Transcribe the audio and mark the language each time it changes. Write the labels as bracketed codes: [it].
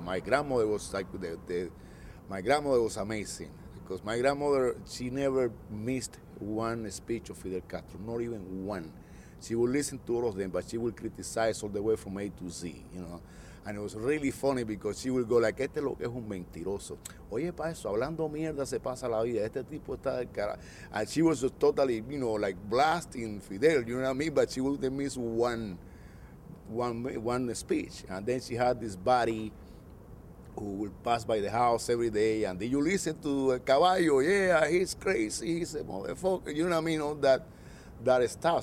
[en] My grandmother was like, my grandmother was amazing. Because my grandmother, she never missed one speech of Fidel Castro, not even one. She would listen to all of them, but she would criticize all the way from A to Z, you know. And it was really funny because she would go like, [es] este lo que es un mentiroso. Oye, pa' eso, hablando mierda se pasa la vida. Este tipo está del carajo. [en] And she was just totally, you know, like blasting Fidel, you know what I mean? But she wouldn't miss one speech. And then she had this body who will pass by the house every day, and did you listen to Caballo? Yeah, he's crazy, he's a motherfucker, you know what I mean, all that stuff.